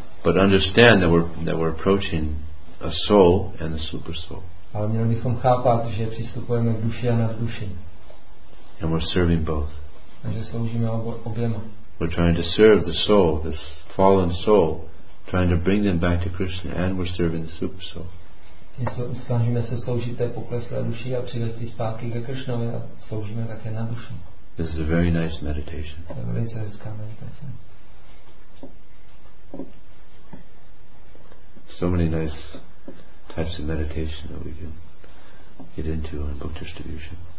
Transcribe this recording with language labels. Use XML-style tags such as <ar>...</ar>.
<en>But understand that we're approaching a soul and a super soul.</en> <cs>Ale měli bychom chápat, že přistupujeme k duši a nad duši.</cs> <en>And we're serving both.</en> <cs>A že sloužíme oběma.</cs> <en>We're trying to serve the soul, this fallen soul, trying to bring them back to Krishna, and we're serving the super soul.</en> <cs>Snažíme se sloužit té pokleslé duši a přivést ji zpátky ke Krishnovi a sloužíme také na duši.</cs> <en>This is a very nice meditation.</en> <cs>To je velice hezká meditace.</cs> <en>So many nice types of meditation that we can get into on book distribution.</en>